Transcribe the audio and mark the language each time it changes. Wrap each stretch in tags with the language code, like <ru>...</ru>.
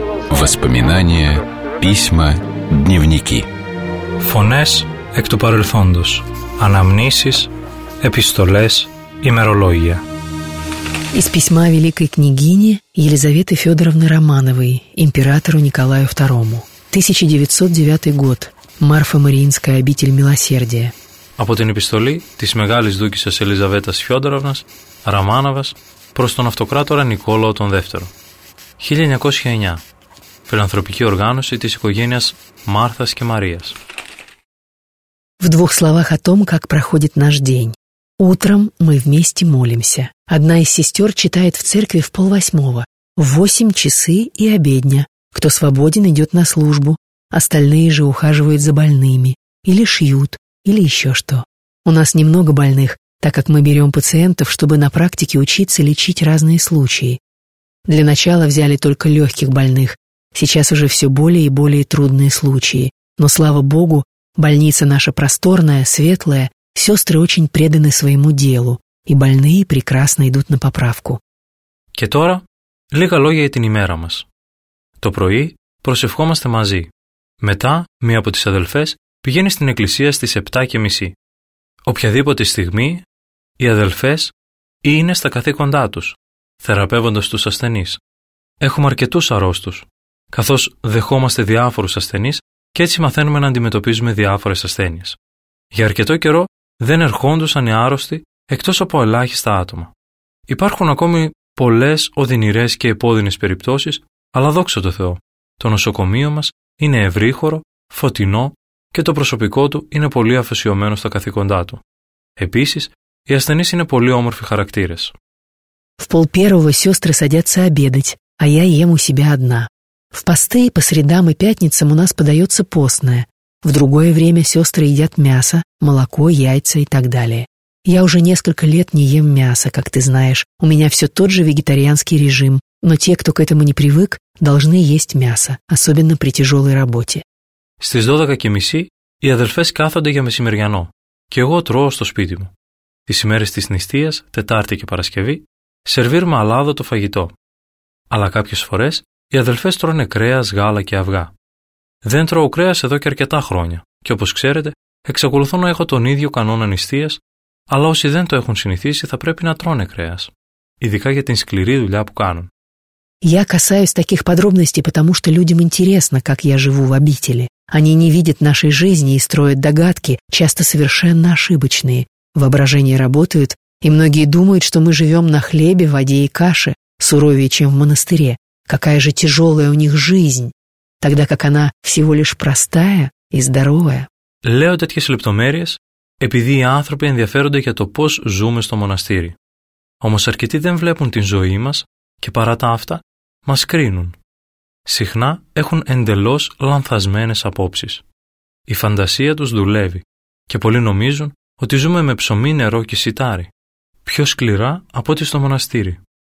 <ru>Воспоминания, письма, дневники.</ru> <el>Φωνές εκ του παρελθόντος. Αναμνήσεις, επιστολές, ημερολόγια.</el> <ru>Из письма великой княгини Елизаветы Федоровны Романовой императору Николаю II. 1909 год. Марфа Мариинская, обитель милосердия.</ru> <el>Από την επιστολή της μεγάλης δούκισσας Ελιζαβέτας Φιόντοροβνας Ραμάνοβας προς τον αυτοκράτορα Νικόλαο τον Δεύτερο. 1909. Φιλανθρωπική οργάνωση της οικογένειας Μάρθας και Μαρίας.</el> <ru>В двух словах о том, как проходит наш день. Утром мы вместе молимся. Одна из сестер читает в церкви в 7:30. 8 часы и обедня. Кто свободен, идет на службу. Остальные же ухаживают за больными. Или шьют, или еще что. У нас немного больных, так как мы берем пациентов, чтобы на практике учиться лечить разные случаи. Для начала взяли только легких больных. Сейчас уже все более и более трудные случаи. Но, слава Богу, больница наша просторная, светлая, сестры очень преданы своему делу, и больные прекрасно идут на поправку.</ru> <el>Και τώρα, λίγα λόγια για την ημέρα μας. Το πρωί προσευχόμαστε μαζί. Μετά, μία από τις αδελφές πηγαίνει στην εκκλησία στις 7:30. Οποιαδήποτε στιγμή, οι αδελφές είναι στα καθήκοντά τους, θεραπεύοντας τους ασθενείς. Έχουμε αρκετούς αρρώστους, καθώς δεχόμαστε διάφορους ασθενείς και έτσι μαθαίνουμε να αντιμετωπίζουμε διάφορες ασθένειες. Για αρκετό καιρό δεν ερχόντουσαν οι άρρωστοι εκτός από ελάχιστα άτομα. Υπάρχουν ακόμη πολλές οδυνηρές και επώδυνες περιπτώσεις, αλλά δόξα τω Θεώ, το νοσοκομείο μας είναι ευρύχωρο, φωτεινό και το προσωπικό του είναι πολύ αφοσιωμένο στα καθήκοντά του. Επίσης, οι ασθενείς είναι πολύ όμορφοι χαρακτήρες.</el> <ru>В полпервого сестры садятся обедать, а я ем у себя одна. В посты по средам и пятницам у нас подается постное. В другое время сестры едят мясо, молоко, яйца и так далее. Я уже несколько лет не ем мяса, как ты знаешь. У меня все тот же вегетарианский режим, но те, кто к этому не привык, должны есть мясо, особенно при тяжелой работе.</ru> <el>Στις 12:30 οι αδελφές κάθονται για μεσημεριανό και εγώ τρώω στο σπίτι μου. Τις ημέρες της νηστείας, Τετάρτη και Παρασκευή, σερβίρουμε αλάδωτο φαγητό. Αλλά κάποιες φορές οι αδελφές τρώνε κρέας, γάλα και αυγά. Δεν τρώω κρέας εδώ και αρκετά χρόνια και όπως ξέρετε, εξακολουθώ να έχω τον ίδιο κανόνα νηστείας, αλλά όσοι δεν το έχουν συνηθίσει θα πρέπει να τρώνε κρέας, ειδικά για την σκληρή δουλειά που κάνουν.</el> <ru>Я касаюсь таких подробностей, потому что людям интересно, как я живу в обители. Они не видят нашей жизни и строят догадки, часто совершенно ошибочные. Воображения работают, и многие думают, что мы живем на хлебе, воде и каше, суровее, чем в монастыре. Какая же тяжелая у них жизнь, тогда как она всего лишь простая и здоровая.</ru> <el>Λέω τέτοιες λεπτομέρειες, επειδή οι άνθρωποι ενδιαφέρονται για το πώς ζούμε στο μοναστήρι. Όμως αρκετοί δεν βλέπουν την ζωή μας και παρά τα αυτά μας κρίνουν. Συχνά έχουν εντελώς λανθασμένες απόψεις. Η φαντασία τους δουλεύει και πολλοί νομίζουν ότι ζούμε με ψωμί, νερό και σιτάρι, πιο σκληρά από ό,τι στο μοναστήρι.</el>